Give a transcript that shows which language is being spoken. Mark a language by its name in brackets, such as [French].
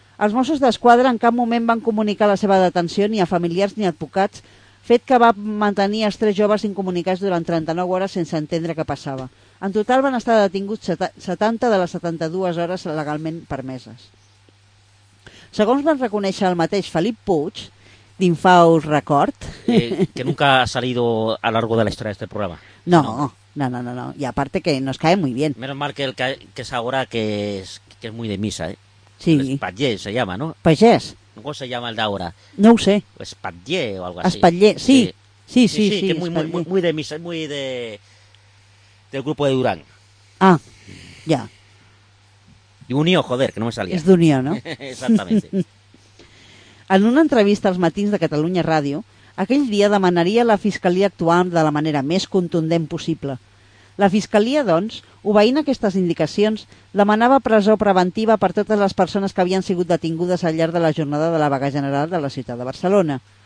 [Catalan] Els Mossos d'Esquadra en cap moment van comunicar la seva detenció ni a familiars ni a advocats, fet que va mantenir els 3 joves incomunicats durant 39 hores sense entendre què passava. En total van estar detinguts 70 de les 72 hores legalment permeses. Segons van reconèixer el mateix Felip Puig, d'Infaus Record. [Spanish] Que nunca ha salido a largo de la historia de este programa. No. Y aparte que nos cae muy bien. Menos mal que el que es ahora, que es muy de misa, ¿eh? Sí. Espatller se llama, ¿no? Pagès. ¿Cómo se llama el de ahora? [Catalan] No ho sé. [Spanish] Espatller o algo así. Espatller, sí. Sí, que es muy de misa, es muy de... del grupo de Durán. Ah, ya. Y Unió, joder, que no me salía. Es de Unió, ¿no? Exactamente. [Catalan] En una entrevista als matins de Catalunya Ràdio, aquell dia demanaria a la Fiscalia actuar de la manera més contundent possible. La Fiscalia, doncs, obeint aquestes indicacions, demanava presó preventiva per totes les persones que havien sigut detingudes al llarg de la jornada de la vaga general de la ciutat de Barcelona.